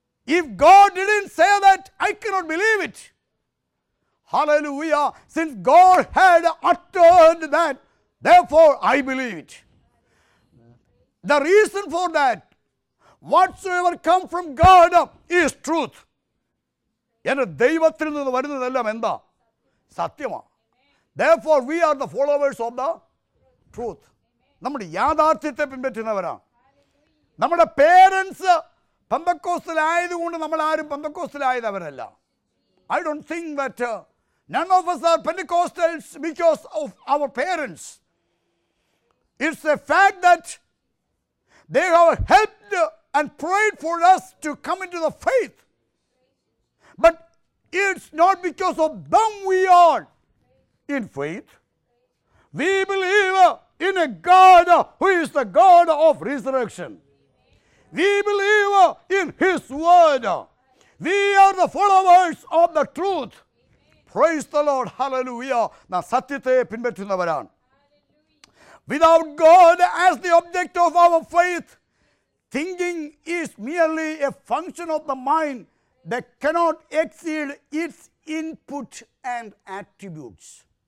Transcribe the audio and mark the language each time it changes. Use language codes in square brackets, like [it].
[en] If God didn't say that, I cannot believe it. Hallelujah. Since God had uttered that, therefore I believe it. The reason for that, whatsoever come from God is truth. [ml] എന്റെ ദൈവത്തിൽ നിന്ന് വരുന്നതെല്ലാം എന്താ? സത്യമാ. [en] Therefore we are the followers of the truth. [ml] നമ്മൾ യാഥാർത്ഥ്യത്തെ പിൻപറ്റുന്നവരാ. നമ്മുടെ parents പെന്തക്കോസ്തിലായതുകൊണ്ട് നമ്മൾ ആരും പെന്തക്കോസ്തിലായതവരല്ല. [en] I don't think that none of us are Pentecostals because of our parents. It's a fact that they have helped and provide for us to come in to the faith. But it's not because of them we are in faith. We believe in a God who is the God of resurrection. We believe in His word. We are the followers of the truth. Praise the Lord. Hallelujah. [ml] Na satyathe pinbathunavaran. [en] Without God as the object of our faith, thinking is merely a function of the mind that cannot exceed its input and attributes.